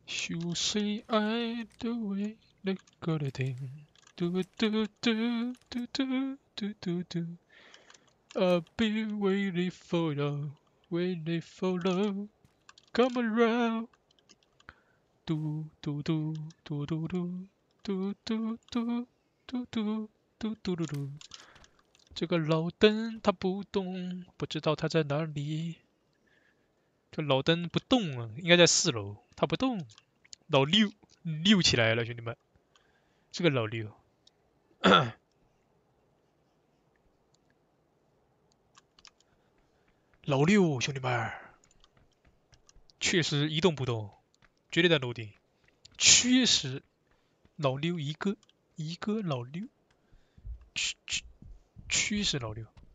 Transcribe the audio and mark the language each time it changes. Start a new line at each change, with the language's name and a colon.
English: You say I do it, look good at him. Do do do do do do do do. I've been waiting for you, waiting for you. Come around. Do do do do do do do do do do do do do do.
Chinese: 这个老灯他不动，不知道他在哪里。这老灯不动啊，应该在四楼，他不动。老六六起来了，兄弟们，这个老六，老六，兄弟们，确实一动不动，绝对在楼顶，确实老六一个一个老六，确实老六。